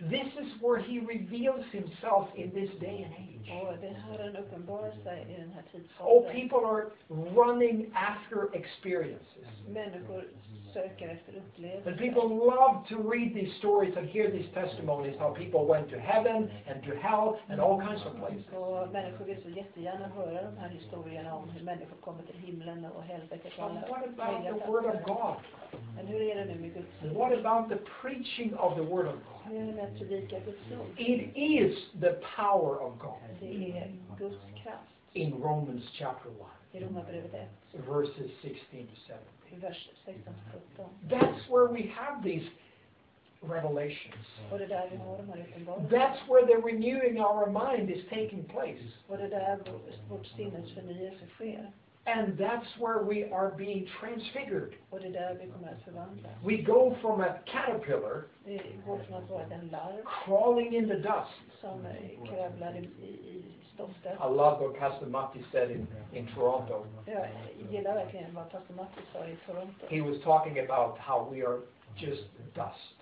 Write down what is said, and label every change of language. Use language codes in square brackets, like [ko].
[en] This is where he reveals himself in this day and age. [sv] Och det här är en uppenbarelse i den här tidsåldern. [en] Oh, people are running after experiences. [sv] Människor söker efter upplevelser. [en] And people love to read these stories and hear these testimonies how people went to heaven and to hell and all kinds of places. [sv] Och människor vill så jättegärna höra de här historierna om hur människor kommer till himlen och helvetet. [en] But what about the word of God? [sv] Men hur är det nu med Guds ord? [en] What about the preaching of the word of God? [sv] Hur är det med att predika Guds ord? [en] It is the power of God. [sv] Det är Guds kraft. [en] In Romans chapter 1. [sv] I Romarbrevet 1. [en] Verses 16-17. [sv] Vers 16-17. [en] That's where we have these revelations. [sv] Och det är där vi har de här uppenbarelserna. [en] That's where the renewing of our mind is taking place. [sv] Och det är där vårt sinnes förnyelse sker. [en] And that's where we are being transfigured. [sv] Och det är där vi kommer att förvandlas. [en] We go from a caterpillar. [sv] Vi går från att vara en larv. [en] Crawling in the dust. [sv] Som kravlar i stoftet. [en] I love what Pastor Matti said in Toronto. [sv] Jag gillar verkligen vad Pastor Matti sa i Toronto. [en] He was talking about how we are just dust.